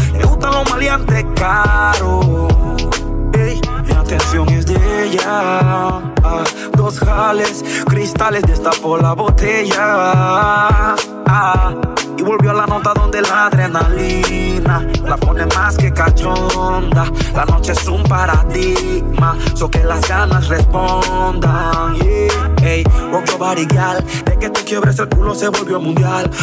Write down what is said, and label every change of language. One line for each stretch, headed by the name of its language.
Spanish: Le gustan los maleantes caros. Ey, mi atención es de ella. Dos jales, cristales, destapó la botella. Y volvió a la nota donde la adrenalina la pone más que cachonda. La noche es un paradigma, so que las ganas respondan.
English: Yeah, ey, rock your body, girl.
Spanish: De que te quiebres el culo se volvió mundial.